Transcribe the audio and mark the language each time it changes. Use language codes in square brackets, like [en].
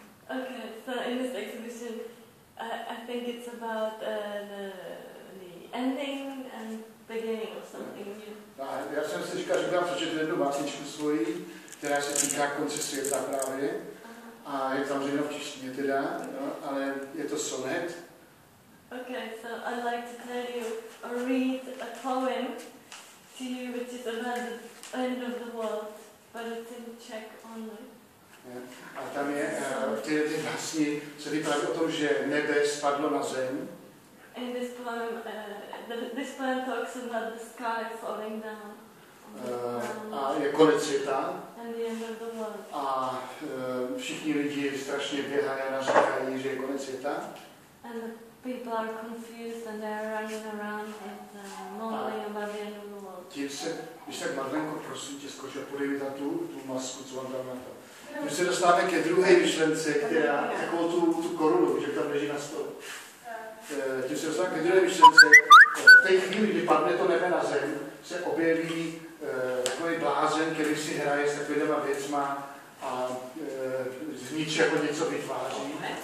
[en] Okay, so in this exhibition, I think it's about the ending and beginning of something new. [cs] Já jsem si říkal, že bych vám přečetl jednu básničku svoji, která se týká konce světa právě. A je tam jenom v češtině teda, no, ale je to sonet. [en] Okay, so I'd like to tell you or read a poem to you, which is about the end of the world, but it's in Czech only. [cs] A tam je ty básni, co vypráví o tom, že nebe spadlo na zem. [en] In this poem, this poem talks about the sky falling down. [cs] A je konec světa. [en] And the end of the world. [cs] A všichni lidi strašně běhají a naříkají, že je konec světa. [en] And the people are confused and they are running around and mumbling about the end of the world. [cs] Tím se, když tak Marlenko, prosím tě, skoč a podívej na tu masku, co vám dám na to. My se dostáváme ke druhé myšlence, která takovou tu korunu, že tam leží na stole. Tím se dostáváme ke druhé myšlence. V té chvíli, kdy padne to nebe na zem, se objeví takový blázen, který si hraje s takovýma věcma a z ničeho něco vytváří.